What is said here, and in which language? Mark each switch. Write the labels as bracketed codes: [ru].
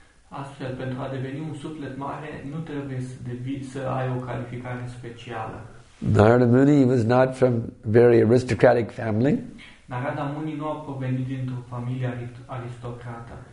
[ro] Astfel, pentru a deveni un suflet mare, nu trebuie să ai o calificare specială. [en] Narada Muni was not from a very aristocratic family. [ro] Narada Muni nu a provenit dintr-o familie aristocrată.